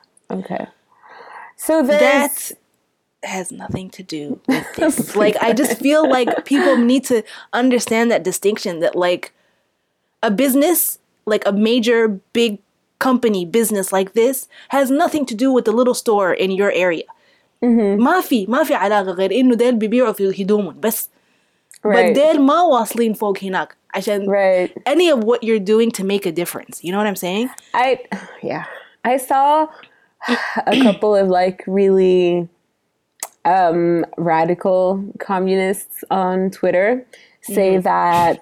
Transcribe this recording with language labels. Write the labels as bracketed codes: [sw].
[en] Okay. So that has nothing to do with this. Like, I just feel like people need to understand that distinction that, like, a business, like a major big company business like this, has nothing to do with the little store in your area. [ar] ما في علاقة غير إنه ديل بيبيعوا في الهدومون بس. [en] But [ar] ديل ما واصلين فوق هناك عشان [en] any of what you're doing to make a difference. You know what I'm saying? I saw a couple of like really radical communists on Twitter say that.